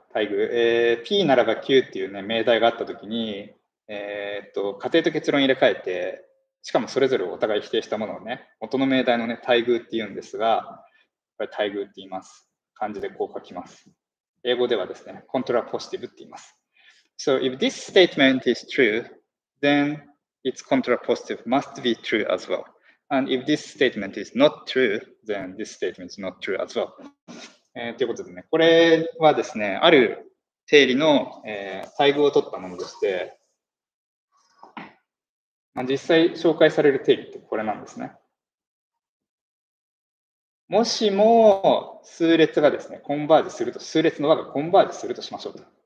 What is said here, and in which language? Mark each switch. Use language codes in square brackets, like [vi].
[ja] 待遇、P ならば Q っていうね命題があったときに。仮定と結論入れ替えて、しかもそれぞれお互い否定したものをね、元の命題のね、待遇って言うんですが、これ待遇って言います。漢字でこう書きます。英語ではですね、コントラポジティブって言います。 [en] So if this statement is true, then its contrapositive must be true as well. And if this statement is not true, then this statement is not true as well. [ja] ということでね、これはですね、ある定理の、待遇を取ったものでして、まあ、実際紹介される定理ってこれなんですね。もしも数列がですね、コンバージすると、数列の和がコンバージするとしましょうと。